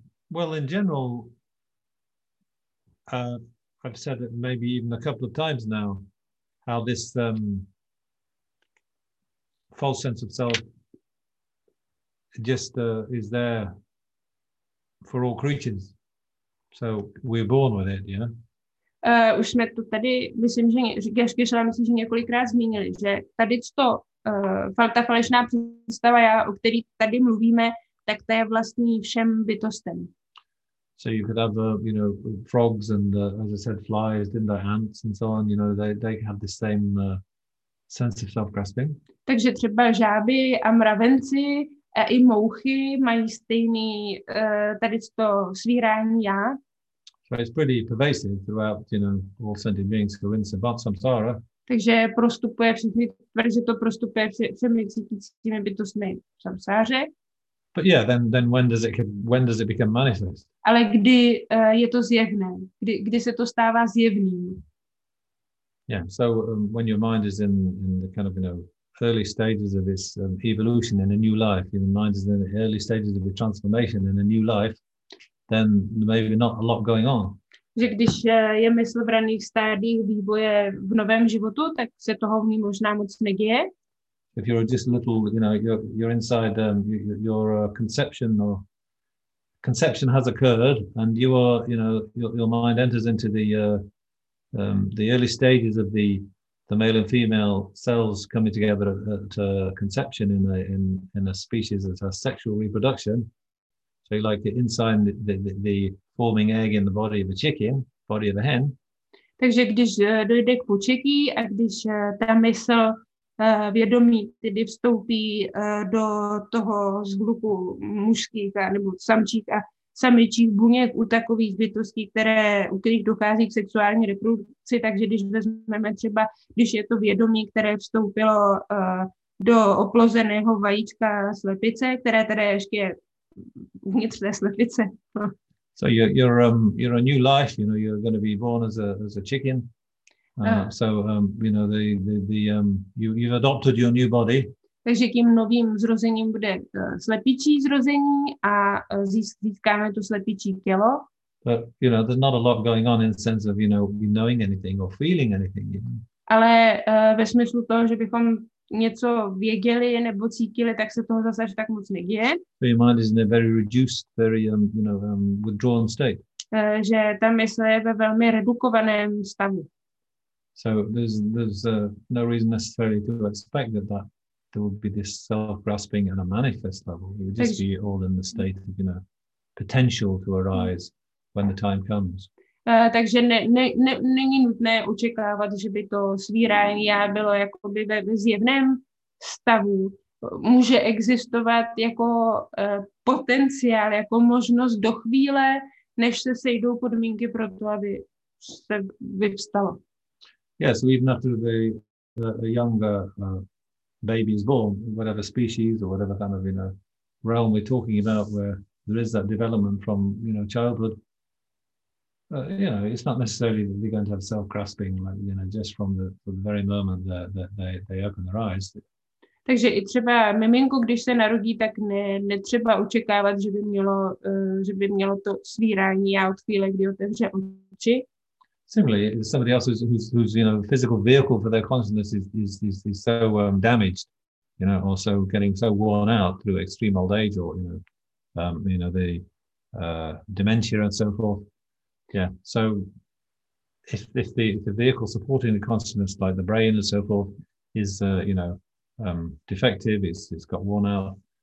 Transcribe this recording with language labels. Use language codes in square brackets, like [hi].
[en] Well, in general, I've said it maybe even a couple of times now, how this false sense of self just is there for all creatures. So we're born with it, you know? [cs] Už jsme to tady, myslím, že Geškyšová, myslím, že několikrát zmínili, že tady to, ta falešná představa, já, o který tady mluvíme, tak to je vlastní všem bytostem. [en] So you could have, you know, frogs and, as I said, flies, didn't they, ants and so on, you know, they have the same sense of self-grasping. [cs] Takže třeba žáby a mravenci a i mouchy mají stejný tady to svírání já. [en] So it's pretty pervasive throughout, you know, all sentient beings, coincidence, but samsara. [cs] Takže prostupuje všechny, tvrdí, to prostupuje všemi cítícími bytostmi v samsáře. [en] But yeah, then when does it become manifest? [cs] Ale kdy je to zjevné? Kdy se to stává zjevným? [en] Yeah, so when your mind is in the kind of, you know, early stages of its evolution in a new life, your mind is in the early stages of its transformation in a new life, then maybe not a lot going on. [cs] Že když je mysl v raných stádiích vývoje v novém životu, tak se toho v ní možná moc neděje. [en] If you're just a little, you know, you're inside your conception, or conception has occurred, and you are, you know, your mind enters into the early stages of the male and female cells coming together at conception in a species that has sexual reproduction. So you're like inside the forming egg in the body of a chicken, body of a hen. [cs] Takže když dojde k početí a když ta mysl vědomí tedy vstoupí do toho zhluku mužských nebo samčích a samičích buněk u takových bytostí, u kterých dochází k sexuální reprodukci, takže když vezmeme třeba, když je to vědomí, které vstoupilo do oplozeného vajíčka slepice, které tedy ještě je uvnitř té slepice. [en] So you're a new life, you know, you're going to be born as a chicken. You know, you've adopted your new body. [cs] Takže tím novým zrozením bude slepičí zrození a získáme to slepičí tělo. [en] But, you know, there's not a lot going on in the sense of, you know, knowing anything or feeling anything. You know? [cs] Ale ve smyslu toho, že bychom něco věděli nebo cítili, tak se toho zase tak moc neděje. [en] So your mind is in a very reduced, very, you know, withdrawn state. [cs] Že ta mysl je ve velmi redukovaném stavu. [en] So there's no reason necessarily to expect that there would be this self-grasping at a manifest level. It would just be all in the state of, you know, potential to arise when the time comes. [cs] Takže není nutné očekávat, že by to svírání já bylo jakoby ve zjevném stavu. Může existovat jako potenciál, jako možnost do chvíle, než se sejdou podmínky pro to, aby se vyvstalo. [en] Yes, yeah, so even after the younger baby is born, whatever species or whatever kind of, you know, realm we're talking about, where there is that development from, you know, childhood, you know, it's not necessarily that they're going to have self-grasping, like, you know, just from the very moment that they open their eyes. [cs] Takže i třeba miminko, když se narodí, tak netřeba očekávat, že by mělo to svírání a od chvíle, kdy otevře oči. [en] Similarly, somebody else who's you know, physical vehicle for their consciousness is so damaged, you know, or so getting so worn out through extreme old age, or the dementia and so forth. Yeah. So if the vehicle supporting the consciousness, like the brain and so forth, is defective, it's got worn out.